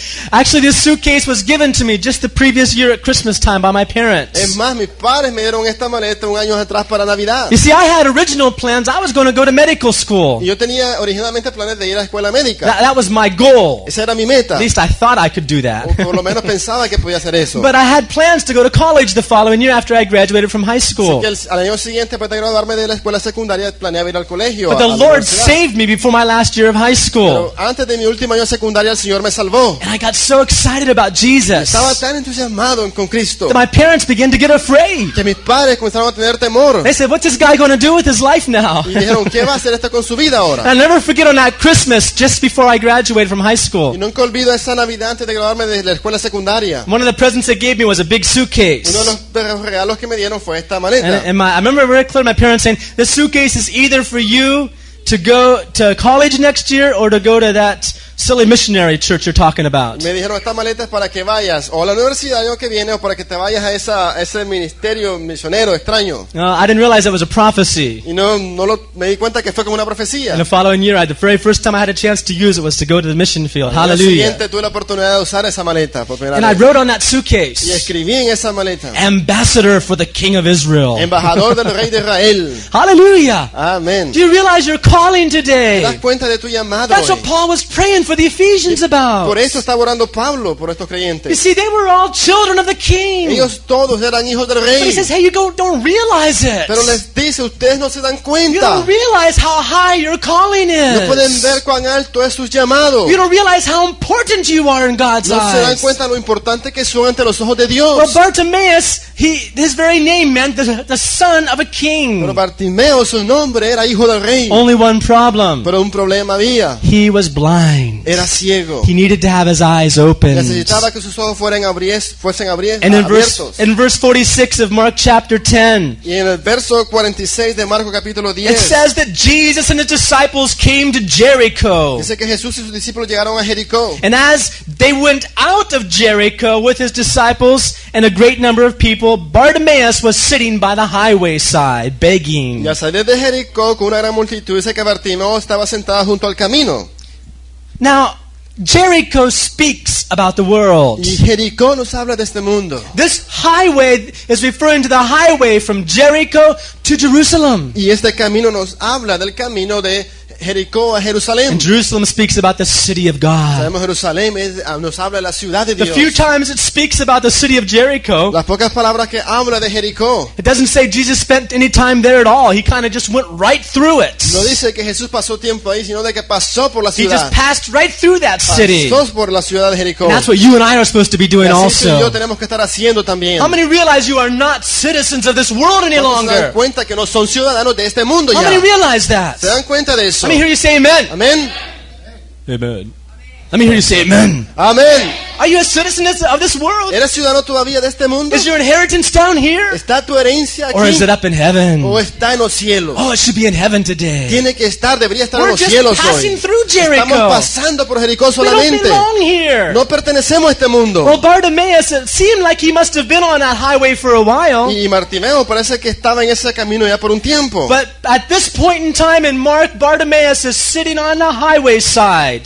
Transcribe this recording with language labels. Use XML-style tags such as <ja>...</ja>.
<en>Actually, this suitcase was given to me just the previous year at Christmas time by my parents.</en> <es>Es más, mis padres me dieron esta maleta un año atrás para Navidad.</es> <en>You see, I had original plans. I was going to go to medical school.</en> <es>Yo tenía originalmente planes de ir a escuela médica.</es> <en>That was my goal.</en> <es>Esa era mi meta.</es> <en>At least I thought I could do that.</en> <es>O por lo menos pensaba que podía hacer eso.</es> <en>But I had plans to go to college the following year after I graduated from high school.</en> <es>Así que al año siguiente, después de graduarme de la escuela secundaria, planeaba ir al colegio.</es> <en>But the Lord saved me before my last year of high school.</en> <es>Pero antes de mi último año secundaria, el Señor me salvó.</es> <en>And I got so excited about Jesus.</en> <es>Estaba tan entusiasmado con Cristo.</es> <en>That my parents began to get afraid.</en> <es>Que mis padres comenzaron a tener temor.</es> <en>They said, "What's this guy going to do with his life now?"</en> <es>Y dijeron, ¿qué va a hacer esto con su vida ahora?</es> <en>I'll never forget on that Christmas just before I graduated from high school.</en> <es>Y nunca olvido esa Navidad antes de graduarme de la escuela secundaria.</es> <en>One of the presents they gave me was a big suitcase.</en> <es>Uno de los regalos que me dieron fue esta maleta.</es> <en>I remember very clearly my parents saying, "This suitcase is either for you to go to college next year or to go to that silly missionary church you're talking about."</en> <es>Me dijeron, esta maleta es para que vayas o a la universidad el año que viene o para que te vayas a ese ministerio misionero extraño.</es> <en>I didn't realize it was a prophecy.</en> <es>Me di cuenta que fue como una profecía.</es> <en>And the following year, the very first time I had a chance to use it was to go to the mission field. Hallelujah.</en> <es>El año siguiente tuve la oportunidad de usar esa maleta por primera vez.</es> <en>And I wrote on that suitcase,</en> <es>y escribí en esa maleta,</es> <en>"Ambassador for the King of Israel."</en> <es>Embajador del Rey de Israel.</es> <en>Hallelujah. Amen. Do you realize your calling today?</en> <es>¿Te das cuenta de tu llamado?</es> <en>That's</en> <es>hoy</es> <en>what Paul was praying for the Ephesians about.</en> <es>Por eso estaba orando Pablo por estos creyentes.</es> <en>You see, they were all children of the King.</en> <es>Ellos todos eran hijos del Rey.</es> <en>But he says, "Hey, you don't realize it."</en> <es>Pero les dice, ustedes no se dan cuenta.</es> <en>You don't realize how high your calling is.</en> <es>No pueden ver cuán alto es su llamado.</es> <en>You don't realize how important you are in God's eyes.</en> <es>No se dan cuenta lo importante que son ante los ojos de Dios.</es> <en>Well, Bartimaeus, his very name meant the son of a king.</en> <es>Pero Bartimeo, su nombre era hijo del Rey.</es> <en>Only one problem.</en> <es>Pero un problema había.</es> <en>He was blind.</en> <es>Era ciego.</es> <en>He needed to have his eyes opened.</en> <es>Necesitaba que sus ojos fuesen abiertos.</es> <en>And in verse 46 of Mark chapter 10,</en> <es>y en el verso 46 de Marco capítulo 10,</es> <en>it says that Jesus and his disciples came to Jericho.</en> <es>Dice que Jesús y sus discípulos llegaron a Jericó.</es> <en>And as they went out of Jericho with his disciples and a great number of people, Bartimaeus was sitting by the highway side begging.</en> <es>Y al salir de Jericó con una gran multitud, dice que Bartimeo estaba sentado junto al camino.</es> <en>Now, Jericho speaks about the world.</en> <es>Y Jericó nos habla de este mundo.</es> <en>This highway is referring to the highway from Jericho to Jerusalem.</en> <es>Y este camino nos habla del camino de Jericó a Jerusalén.</es> <en>And Jerusalem speaks about the city of God.</en> <es>Sabemos, Jerusalén nos habla de la ciudad de Dios.</es> <en>The few times it speaks about the city of Jericho,</en> <es>las pocas palabras que habla de Jericó,</es> <en>it doesn't say Jesus spent any time there at all. He kind of just went right through it.</en> <es>No dice que Jesús pasó tiempo ahí, sino de que pasó por la ciudad.</es> <en>He just passed right through that city.</en> <es>Pasó por la ciudad de Jericó.</es> <en>And that's what you and I are supposed to be doing also.</en> <es>Y así tú y yo tenemos que estar haciendo también.</es> <en>How many realize you are not citizens of this world any longer?</en> <es>¿Se dan cuenta que no son ciudadanos de este mundo ya?</es> <en>How many realize that?</en> <es>¿Se dan cuenta de eso?</es> <en>Let me hear you say amen. Amen. Amen. Let me hear you say amen. Amen. Are you a citizen of this world?</en> <es>¿Eres ciudadano todavía de este mundo?</es> <en>Is your inheritance down here?</en> <es>¿Está tu herencia aquí?</es> <en>Or is it up in heaven?</en> <es>¿O está en los cielos?</es> <en>Oh, it should be in heaven today.</en> <es>Tiene que estar, debería estar</es> <en>We're</en> <es>en los cielos hoy.</es> <en>We're just passing through Jericho.</en> <es>Estamos pasando por Jericó solamente.</es> <en>We don't belong here.</en> <es>No pertenecemos a este mundo.</es> <en>Well, Bartimaeus, it seemed like he must have been on that highway for a while.</en> <es>Y Bartimeo parece que estaba en ese camino ya por un tiempo.</es> <en>But at this point in time in Mark, Bartimaeus is sitting on the highway side.</en>